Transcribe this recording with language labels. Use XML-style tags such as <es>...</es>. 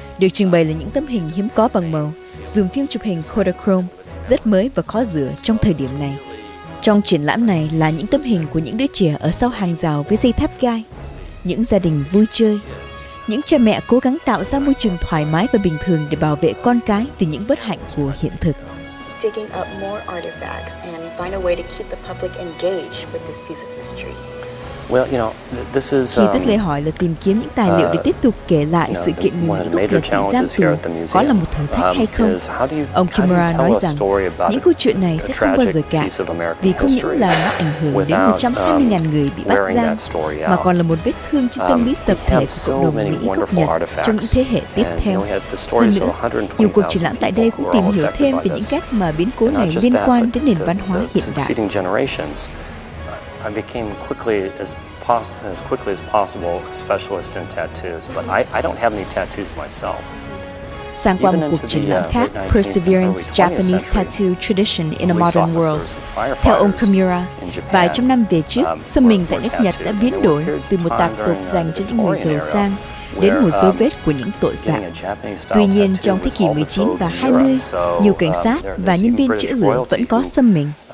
<vi>Được trưng bày là những tấm hình hiếm có bằng màu, dùng phim chụp hình Kodachrome, rất mới và khó rửa trong thời điểm này. Trong triển lãm này là những tấm hình của những đứa trẻ ở sau hàng rào với dây thép gai, những gia đình vui chơi, những cha mẹ cố gắng tạo ra môi trường thoải mái và bình thường để bảo vệ con cái từ những bất hạnh của hiện thực.</vi> <en>Digging up more artifacts and find a way to keep the public engaged with this piece of history. Well, you know, this is.</en> <vi>Khi Tuyết Lê hỏi là tìm kiếm những tài liệu để tiếp tục kể lại sự kiện người Mỹ gốc Nhật bị giam tù, có là một thử thách hay không? Ông Kimura nói rằng những câu chuyện này sẽ không bao giờ cạn, vì không những là nó ảnh hưởng đến 120.000 người bị bắt giam, mà còn là một vết thương trên tâm lý tập thể của cộng đồng Mỹ gốc Nhật trong những thế hệ tiếp theo. Hơn nữa, nhiều cuộc triển lãm tại đây cũng tìm hiểu thêm về những cách mà biến cố này liên quan đến nền văn hóa hiện đại.</vi> <en>I became quickly as possible a specialist in tattoos, but I don't have any tattoos myself.</en> <vi>Sang qua một cuộc triển lãm khác, Perseverance, Japanese Tattoo Tradition in a Modern World. Theo ông Kimura, vài trăm năm về trước, xâm mình tại nước Nhật đã biến đổi từ một tạp tục dành cho những người giàu sang đến một dấu vết của những tội phạm. Tuy nhiên, trong thế kỷ 19 và 20, nhiều cảnh sát và nhân viên chữ gửi vẫn có xăm mình.</vi>